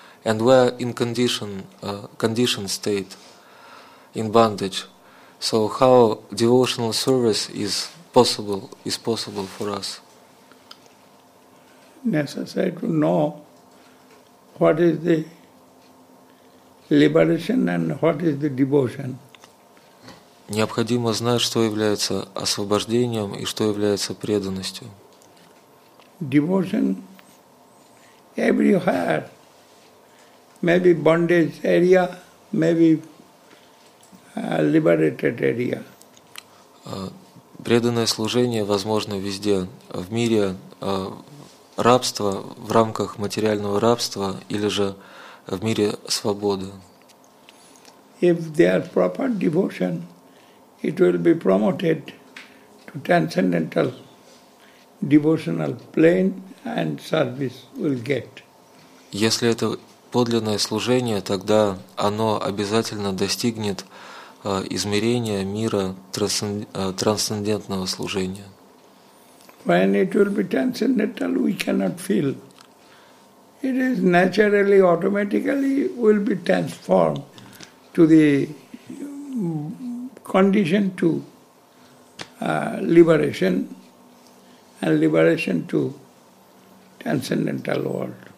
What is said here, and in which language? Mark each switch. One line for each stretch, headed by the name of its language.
English: And we are in condition state, in bondage. So how devotional service is possible for us. Necessary to know what is the liberation and what is the devotion.
Russian: Необходимо знать, что является освобождением и что является преданностью.
English: Devotion everywhere. Maybe bondage area, maybe liberated area.
Russian: Преданное служение возможно везде, в мире рабства, в рамках материального рабства или же в мире свободы.
English: If there is proper devotion, it will be promoted to transcendental devotional plane and service will get.
Russian: Если это подлинное служение, тогда оно обязательно достигнет измерения мира трансцендентного служения.
English: When it will be transcendental, we cannot feel. It is naturally, automatically will be transformed to the condition to liberation and liberation to transcendental world.